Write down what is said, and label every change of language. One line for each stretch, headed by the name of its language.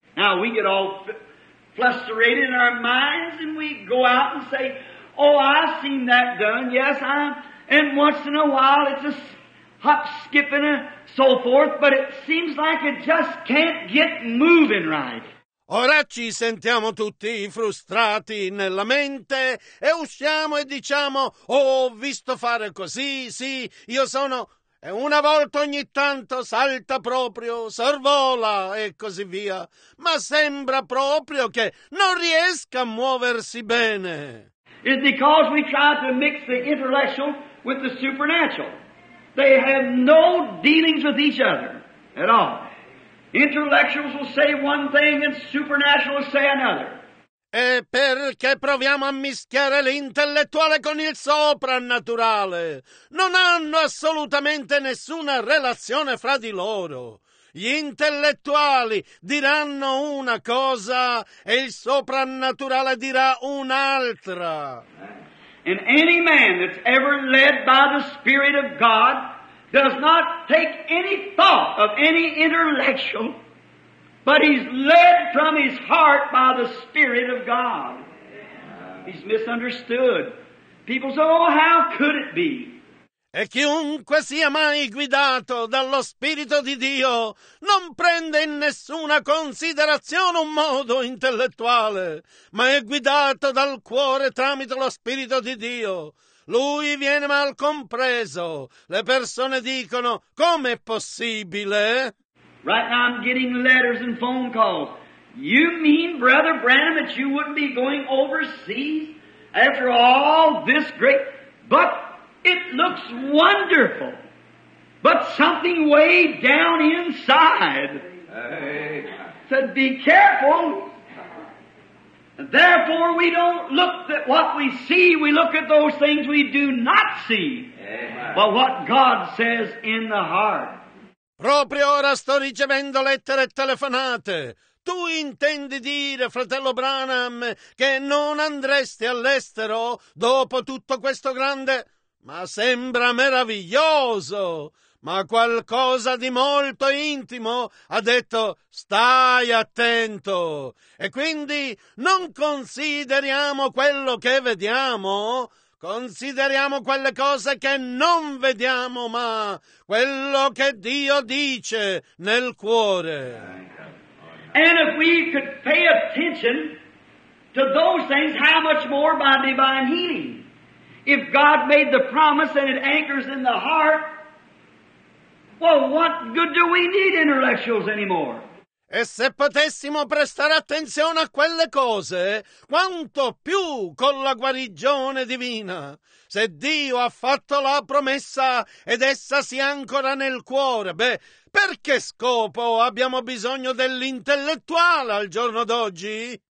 English: Now we get all flustered in our minds and we go out and say, oh, I've seen that done, yes, I'm... And once in a while, it's a hop, skip, and a so forth, but it seems like it just can't get moving right.
Italian: Ora ci sentiamo tutti frustrati nella mente e usciamo e diciamo, oh, ho visto fare così, sì, io sono... E una volta ogni tanto salta proprio, sorvola e così via, ma sembra proprio che non riesca a muoversi bene.
English: It's because we try to mix the intellectual with the supernatural. They have no dealings with each other at all. Intellectuals will say one thing and supernatural will say another.
Italian: E perché proviamo a mischiare l'intellettuale con il soprannaturale? Non hanno assolutamente nessuna relazione fra di loro. Gli intellettuali diranno una cosa e il soprannaturale dirà un'altra.
English: And any man that's ever led by the Spirit of God does not take any thought of any intellectual, but he's led from his heart by the Spirit of God. He's misunderstood. People say, oh, how could it be?
Italian: E chiunque sia mai guidato dallo Spirito di Dio non prende in nessuna considerazione un modo intellettuale, ma è guidato dal cuore tramite lo Spirito di Dio. Lui viene mal compreso. Le persone dicono, com'è possibile?
English: Right now I'm getting letters and phone calls. You mean, Brother Branham, that you wouldn't be going overseas after all this great... But... It looks wonderful, but something way down inside said, be careful. Therefore, we don't look at what we see. We look at those things we do not see, but what God says in the heart.
Italian: Proprio ora sto ricevendo lettere e telefonate. Tu intendi dire, fratello Branham, che non andresti all'estero dopo tutto questo grande... Ma sembra meraviglioso. ma qualcosa di molto intimo ha detto: stai attento. E quindi non consideriamo quello che vediamo, consideriamo quelle cose che non vediamo, ma quello che Dio dice nel cuore.
English: And if we could pay attention to those things, how much more by divine healing? If God made the promise and it anchors in the heart, well, what good do we need intellectuals anymore?
Italian: E se potessimo prestare attenzione a quelle cose, quanto più con la guarigione divina. Se Dio ha fatto la promessa ed essa si ancora nel cuore, beh, per che scopo abbiamo bisogno dell'intellettuale al giorno d'oggi?